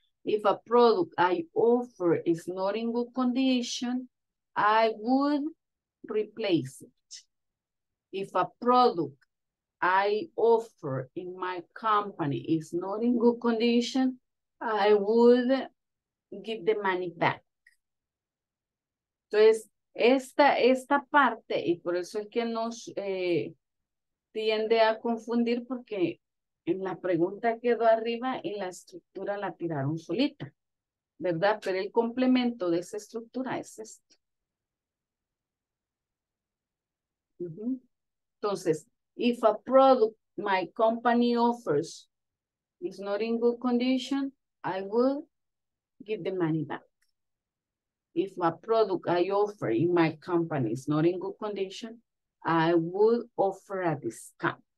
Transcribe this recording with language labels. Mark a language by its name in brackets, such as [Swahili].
[English] If a product I offer is not in good condition, I would replace it. If a product I offer in my company is not in good condition, I would give the money back. [Spanish] Entonces, esta parte, y por eso es que nos tiende a confundir, porque en la pregunta quedó arriba y la estructura la tiraron solita, ¿verdad? Pero el complemento de esa estructura es esto. [English] Entonces, if a product my company offers is not in good condition, I will give the money back. If a product I offer in my company is not in good condition, I would offer a discount.